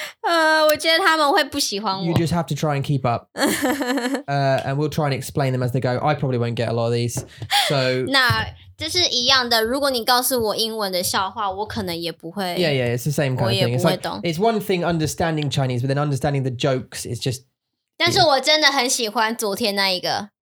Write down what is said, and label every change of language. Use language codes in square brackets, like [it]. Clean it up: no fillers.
[en] You just have to try and keep up. And we'll try and explain them as they go. I probably won't get a lot of these. So, [zh] no, 这是一样的, 如果你告诉我英文的笑话, 我可能也不会, [en] yeah, yeah, it's the same kind of thing. It's one thing understanding Chinese, but then understanding the jokes is just... [zh] 但是我真的很喜欢昨天那一个。